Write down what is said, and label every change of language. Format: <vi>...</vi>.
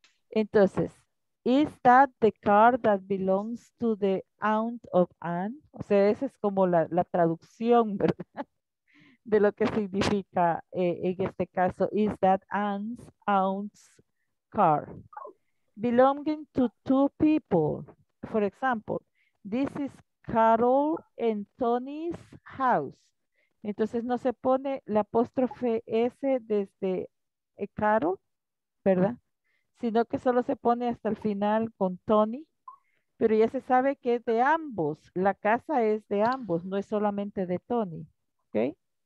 <es>Entonces,</es> <en>is that the car that belongs to the aunt of Anne?</en> <es>O sea, esa es como la traducción, ¿verdad? De lo que significa en este caso,</es> <en>is that Anne's aunt's car? Belonging to two people. For example, this is Carol and Tony's house.</en> <es>Entonces no se pone la apóstrofe S desde Carol, ¿verdad? Sino que solo se pone hasta el final con Tony. Pero ya se sabe que es de ambos. La casa es de ambos, no es solamente de Tony. ¿Ok?</es>